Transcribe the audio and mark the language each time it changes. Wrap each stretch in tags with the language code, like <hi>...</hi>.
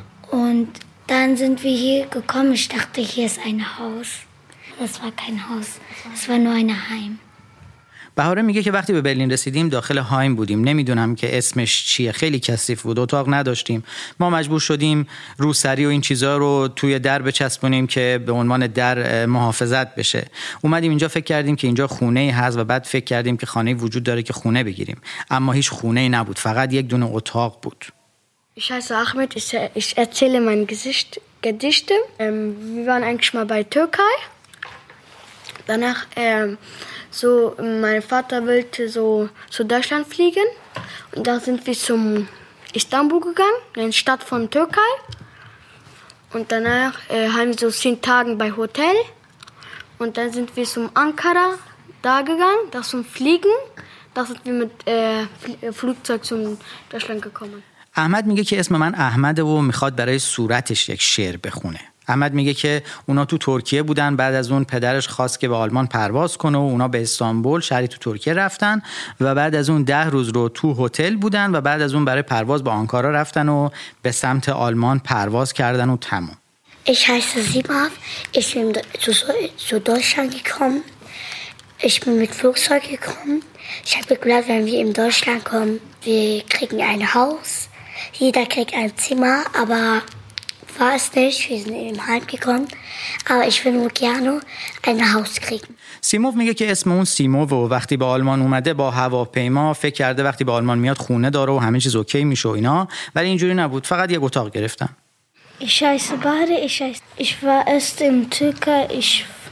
<de>Und dann sind wir hier gekommen. Ich dachte, hier ist ein Haus. Das war kein Haus. Das war nur ein Heim.</de> <fa>بهاره میگه که وقتی به برلین رسیدیم داخل هایم بودیم. نمیدونم که اسمش چیه. خیلی کثیف بود. اتاق نداشتیم. ما مجبور شدیم روسری و این چیزها رو توی در بچسبونیم که به عنوان در محافظت بشه. اومدیم اینجا فکر کردیم که اینجا خونه هست و بعد فکر کردیم که خانه وجود داره که خونه بگیریم. اما هیچ خونه نبود. فقط یک دونه اتاق بود.</fa> <de>Ich heiße Ahmed. Ich erzähle mein Gedichte. Wir waren eigentlich mal bei Türkei. Danach so mein Vater wollte so zu Deutschland fliegen und dann sind wir zum Istanbul gegangen, eine Stadt von Türkei. Und danach haben wir so 10 Tage bei Hotel und dann sind wir zum Ankara da gegangen, das zum Fliegen. Da sind wir mit Flugzeug zum Deutschland gekommen.</de> <fa>احمد میگه که اسم من احمده و میخواد برای صورتش یک شعر بخونه. احمد میگه که اونا تو ترکیه بودن، بعد از اون پدرش خواست که به آلمان پرواز کنه و اونا به استانبول شهری تو ترکیه رفتن و بعد از اون 10 روز رو تو هتل بودن و بعد از اون برای پرواز به آنکارا رفتن و به سمت آلمان پرواز کردن و تموم.</fa> <de>Ich heiße Simav. Ich bin zu Deutschland gekommen. Ich bin mit Flugzeug gekommen. Ich habe gedacht, wenn wir in Deutschland kommen, wir kriegen ein Haus. Jeder kriegt ein Zimmer, aber war es nicht. Wir sind im Heim gekommen, aber ich will nur gerne ein Haus kriegen.</de> <fa>سیموف میگه که اسم اون سیموف و وقتی به آلمان اومده با هواپیما فکر کرده وقتی به آلمان میاد خونه داره و همه چیز اوکی میشه و اینا، ولی اینجوری نبود، فقط یک اتاق گرفتن.</fa> <de>Ich heiße Bahar, ich war erst in Türkei, ich</de>